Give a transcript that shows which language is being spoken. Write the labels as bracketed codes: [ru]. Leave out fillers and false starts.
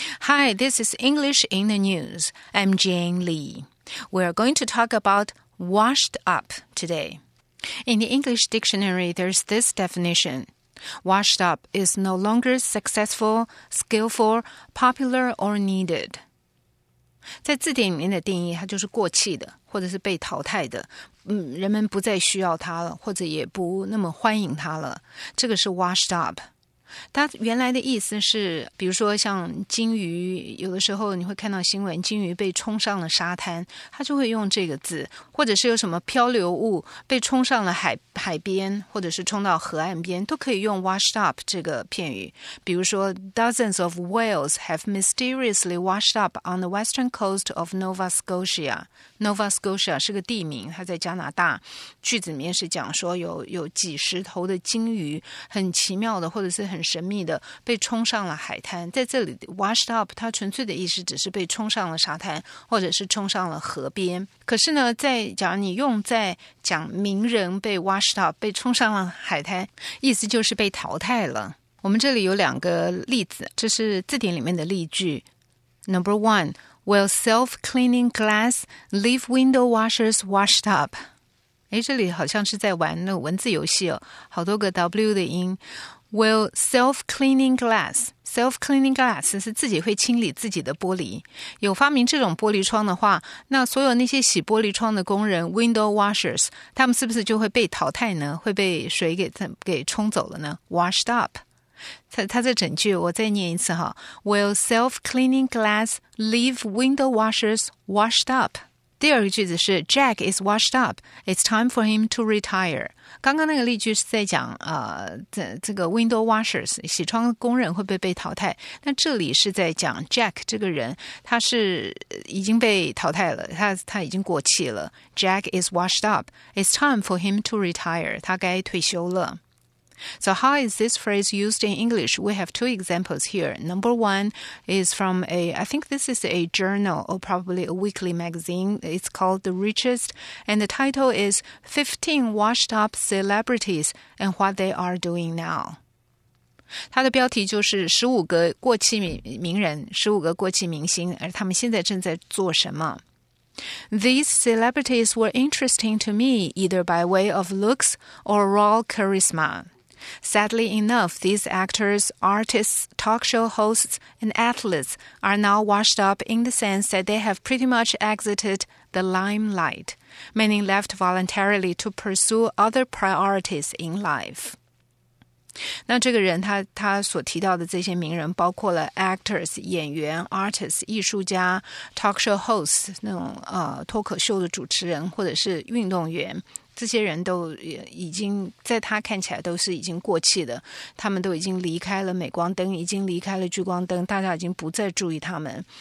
[en] Hi, this is English in the News. I'm Jane Lee. We're going to talk about washed up today. In the English dictionary, there's this definition. Washed up is no longer successful, skillful, popular, or needed. [zh] 在字典里面的定义，它就是过气的，或者是被淘汰的。人们不再需要它了，或者也不那么欢迎它了。这个是 washed up。它原来的意思是，比如说像鲸鱼，有的时候你会看到新闻，鲸鱼被冲上了沙滩，它就会用这个字，或者是有什么漂流物被冲上了海边，或者是冲到河岸边，都可以用 washed up 这个片语。 [en] 比如说 ， dozens of whales have mysteriously washed up on the western coast of Nova Scotia。 [zh] Nova Scotia 是个地名，它在加拿大。句子里面是讲说有几十头的鲸鱼，很奇妙的，或者是很神秘的被冲上了海滩。在这里 washed up 它纯粹的意思只是被冲上了沙滩或者是冲上了河边。可是呢，在假如你用在讲名人被 washed up 被冲上了海滩，意思就是被淘汰了。我们这里有两个例子，这是字典里面的例句。 [en] Number one, will self-cleaning glass leave window washers washed up? [zh] 这里好像是在玩那文字游戏哦，好多个 W 的音。 Will self-cleaning glass 是自己会清理自己的玻璃。有发明这种玻璃窗的话，那所有那些洗玻璃窗的工人 window washers， 他们是不是就会被淘汰呢？会被水给冲走了呢？Washed up。他在整句，我再念一次哈。 [en] Will self-cleaning glass leave window washers washed up？ [zh] 第二个句子是 [en] Jack is washed up. It's time for him to retire. [zh] 刚刚那个例句是在讲这个 window washers, 洗窗工人会不会被淘汰。那这里是在讲 Jack 这个人，他是已经被淘汰了，他已经过气了。 [en] Jack is washed up. It's time for him to retire. [zh] 他该退休了。 [en] So how is this phrase used in English? We have two examples here. Number one is from a journal or probably a weekly magazine. It's called The Richest, and the title is 15 Washed Up Celebrities and What They Are Doing Now. [zh] 它的标题就是15个过气名人，15个过气明星，而他们现在正在做什么。 [en] These celebrities were interesting to me either by way of looks or raw charisma. Sadly enough, these actors, artists, talk show hosts, and athletes are now washed up in the sense that they have pretty much exited the limelight, many left voluntarily to pursue other priorities in life. [zh] 那这个人他所提到的这些名人包括了 actors, 演员 artists, 艺术家 talk show hosts, 那种脱口秀的主持人或者是运动员。这些人都已经在他看起来都是已经过气的，他们都已经离开了镁光灯，已经离开了聚光灯，大家已经不再注意他们。